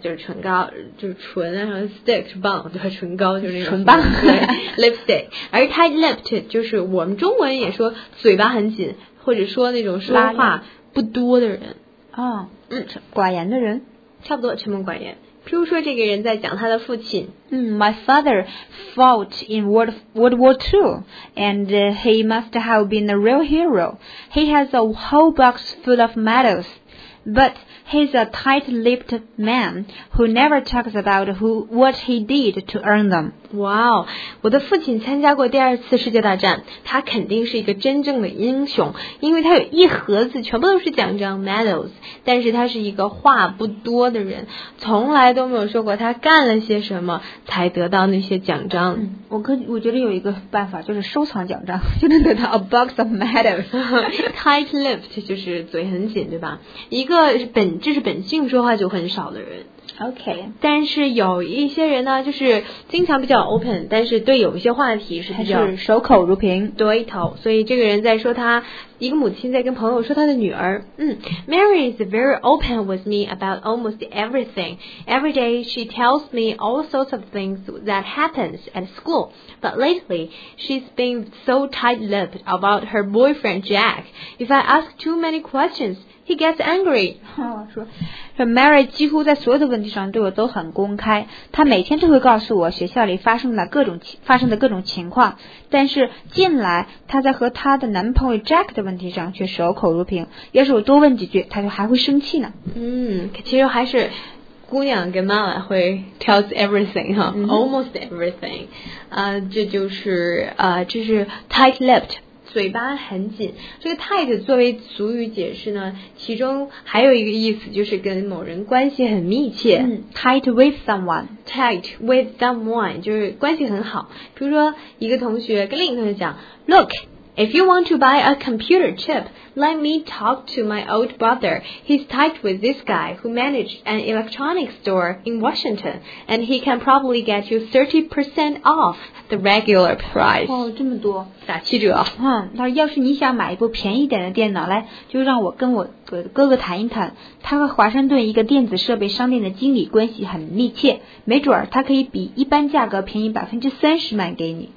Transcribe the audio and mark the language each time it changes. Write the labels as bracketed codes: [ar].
[zh] 就是唇膏，就是唇，然后 stick 是棒，对，唇膏就是那个唇棒。 Lipstick， 而 tight-lipped 就是我们中文也说嘴巴很紧，或者说那种说话不多的人。寡言的人，差不多沉默寡言。譬如说这个人在讲他的父亲。 [en] My father fought in World War II, and he must have been a real hero. He has a whole box full of medals. But he's a tight-lipped man who never talks about what he did to earn them. [zh] Wow, 我的父亲参加过第二次世界大战，他肯定是一个真正的英雄，因为他有一盒子全部都是奖章 medals， 但是他是一个话不多的人，从来都没有说过他干了些什么才得到那些奖章。我觉得有一个办法就是收藏奖章，就能得到 [en] a box of medals. [zh] Tight-lipped 就是嘴很紧，对吧？一个这是本性说话就很少的人。 [en] OK， [zh] 但是有一些人呢，就是经常比较 open， 但是对有一些话题是比较是守口如瓶，对头。所以这个人在说他一个母亲在跟朋友说他的女儿， [en] Mary is very open with me about almost everything. Every day she tells me all sorts of things that happens at school. But lately she's been so tight-lipped about her boyfriend Jack. If I ask too many questions. He gets angry. [zh] 说 Mary 几乎在所有的问题上对我都很公开，她每天都会告诉我学校里发生的各种情况，但是近来她在和她的男朋友 Jack 的问题上却守口如瓶，要是我多问几句她就还会生气呢。其实还是姑娘跟妈妈会 [en] tells everything、almost everything、 [zh] 这就是、这是 tight-lipped嘴巴很紧。这个 tight 作为俗语解释呢，其中还有一个意思就是跟某人关系很密切。 [en] Tight with someone [zh] 就是关系很好。比如说一个同学跟另一个同学讲， [en] Look, if you want to buy a computer chip, let me talk to my old brother. He's tight with this guy who managed an electronics store in Washington, and he can probably get you 30% off the regular price. [zh] 哦，这么多。打七折。他说要是你想买一部便宜点的电脑来，就让我跟我哥哥谈一谈，他和华盛顿一个电子设备商店的经理关系很密切，没准他可以比一般价格便宜30%卖给你。